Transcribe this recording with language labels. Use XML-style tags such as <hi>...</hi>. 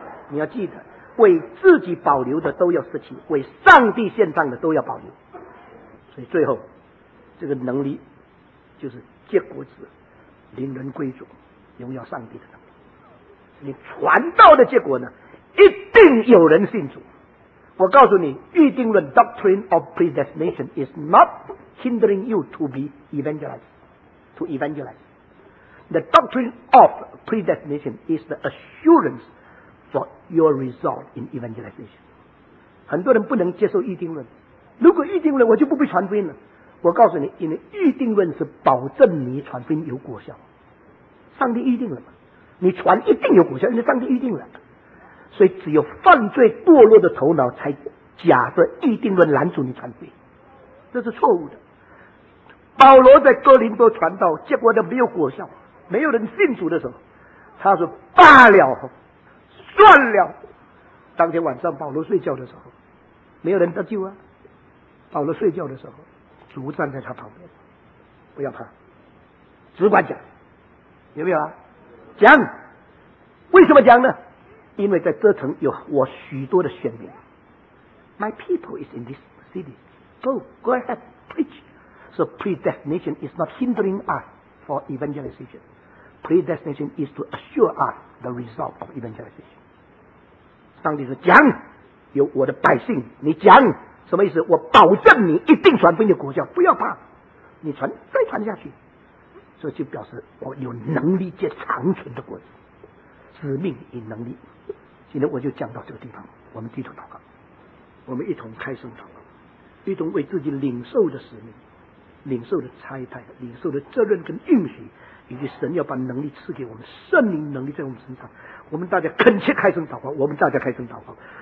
<zh>你要记得，为自己保留的都要失去，为上帝献上的都要保留。所以最后。这个能力就是结果子凌人归主荣耀上帝的能力。你传道的结果呢，一定有人信主。我告诉你，预定论</zh> <en>Doctrine of Predestination is not hindering you to be evangelized. The Doctrine of Predestination is the assurance for your result in evangelization.</en> <zh>很多人不能接受预定论，如果预定论我就不必传福音了。我告诉你，因为预定论是保证你传福音有果效，上帝预定了嘛，你传一定有果效，因为上帝预定了。所以只有犯罪堕落的头脑才假设预定论拦阻你传福音，这是错误的。保罗在哥林多传道，结果他没有果效，没有人信主的时候，他说罢了，算了。当天晚上保罗睡觉的时候，没有人得救啊。保罗睡觉的时候，主站在他旁边，不要怕，只管讲，有没有啊？讲，为什么讲呢？因为在这城有我许多的选民。</zh> <en>My people is in this city. Go ahead, preach. So predestination is not hindering us for evangelization. Predestination is to assure us the result of evangelization.</en> <zh>上帝说讲，有我的百姓，你讲什么意思？我保证你一定传福音的果效，不要怕，你传再传下去，这就表示我有能力借长存的果子，使命与能力。今天我就讲到这个地方，我们低头祷告，我们一同开声祷告，一同为自己领受的使命、领受的差派、领受的责任跟应许，以及神要把能力赐给我们，圣灵能力在我们身上，我们大家恳切开声祷告，我们大家开声祷告。</zh>